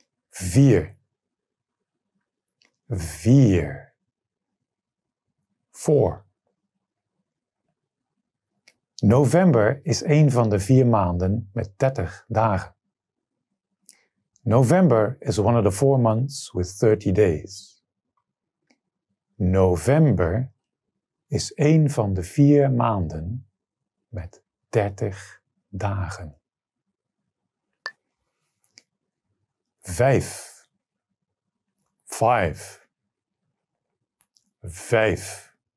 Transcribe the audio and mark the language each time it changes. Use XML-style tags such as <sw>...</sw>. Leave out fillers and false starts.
<nl>4. 4. 4. November is een van de 4 maanden met 30 dagen.</nl> <en>November is one of the 4 months with 30 days.</en> <nl>November is een van de 4 maanden met 30 dagen. 5. 5. 5.</nl>